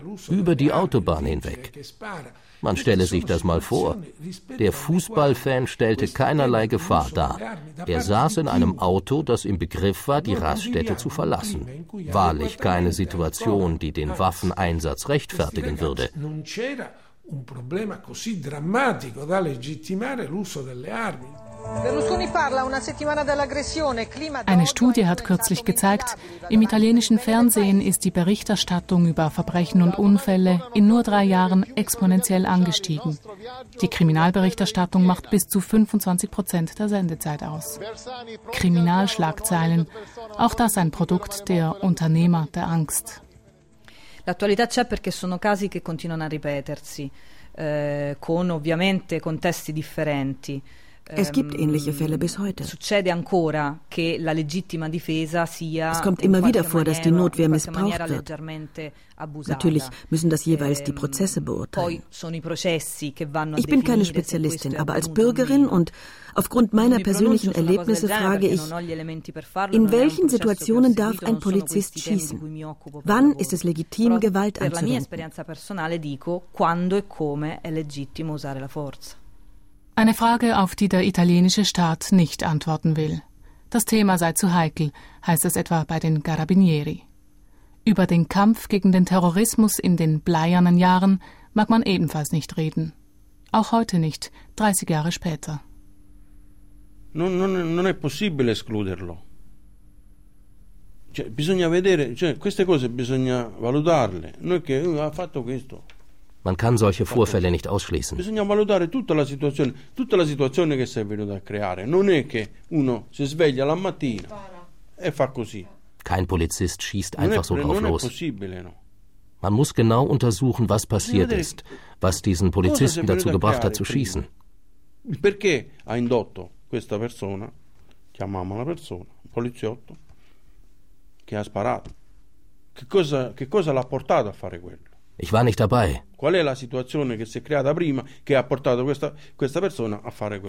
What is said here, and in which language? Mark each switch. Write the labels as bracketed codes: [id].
[de] Über die Autobahn hinweg. Man stelle sich das mal vor. Der Fußballfan stellte keinerlei Gefahr dar. Er saß in einem Auto, das im Begriff war, die Raststätte zu verlassen. Wahrlich keine Situation, die den Waffeneinsatz rechtfertigen würde. [it] Un problema così drammatico da legittimare l'uso delle armi. [de] Eine Studie hat kürzlich gezeigt, im italienischen Fernsehen ist die Berichterstattung über Verbrechen und Unfälle in nur 3 Jahren exponentiell angestiegen. Die Kriminalberichterstattung macht bis zu 25% der Sendezeit aus. Kriminalschlagzeilen, auch das ein Produkt der Unternehmer der Angst. [it] L'attualità c'è perché sono casi che continuano a ripetersi, con ovviamente contesti differenti. [de] Es gibt ähnliche Fälle bis heute. [it] Succede ancora che la legittima difesa sia. [de] Es kommt immer wieder vor, dass die Notwehr missbraucht wird. Natürlich müssen das jeweils die Prozesse beurteilen. [it] Poi sono i processi che vanno. [de] Ich bin keine Spezialistin, aber als Bürgerin und aufgrund meiner persönlichen Erlebnisse frage ich, in welchen Situationen darf ein Polizist schießen? Wann ist es legitim, Gewalt anzuwenden? [it] Per la mia esperienza personale dico quando e come è legittimo usare la forza. [de] Eine Frage, auf die der italienische Staat nicht antworten will. Das Thema sei zu heikel, heißt es etwa bei den Carabinieri. Über den Kampf gegen den Terrorismus in den bleiernen Jahren mag man ebenfalls nicht reden. Auch heute nicht, 30 Jahre später. [it] Non è possibile escluderlo. Cioè, bisogna vedere, cioè, queste cose bisogna valutarle. Noi che ha fatto questo. [de] Man kann solche Vorfälle nicht ausschließen. [it] Bisogna valutare tutta la situazione che si è venuta a creare. Non è che uno si sveglia la mattina e fa così. [de] Kein Polizist schießt einfach so drauf los. Man muss genau untersuchen, was passiert ist, was diesen Polizisten dazu gebracht hat zu schießen. [it] Perché ha indotto questa persona, chiamiamola persona, poliziotto, che ha sparato? Che cosa l'ha portato a fare quello? [de] Ich war nicht dabei. [it] Qual è la situazione che si è creata prima che ha portato questa persona a fare questo?